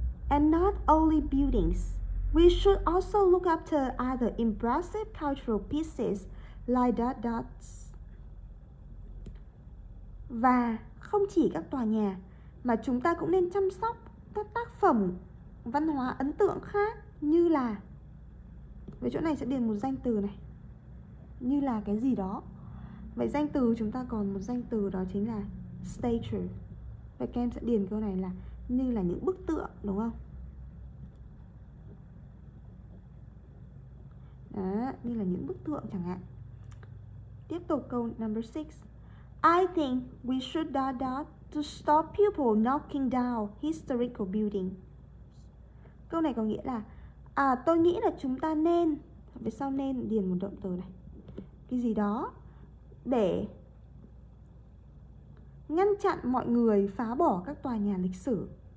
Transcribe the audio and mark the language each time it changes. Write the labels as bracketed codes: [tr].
[en] And not only buildings, we should also look after other impressive cultural pieces like dot dots. [vi] Và không chỉ các tòa nhà, mà chúng ta cũng nên chăm sóc các tác phẩm văn hóa ấn tượng khác như là. Vậy chỗ này sẽ điền một danh từ này. Như là cái gì đó. Vậy danh từ chúng ta còn một danh từ đó chính là statue. Vậy các em sẽ điền câu này là như là những bức tượng, đúng không? Đó, như là những bức tượng chẳng hạn. Tiếp tục câu number 6. [en] I think we should dot dot to stop people knocking down historical buildings. [vi] Câu này có nghĩa là tôi nghĩ là chúng ta nên, về sau nên điền một động từ này. Cái gì đó để ngăn chặn mọi người phá bỏ các tòa nhà lịch sử.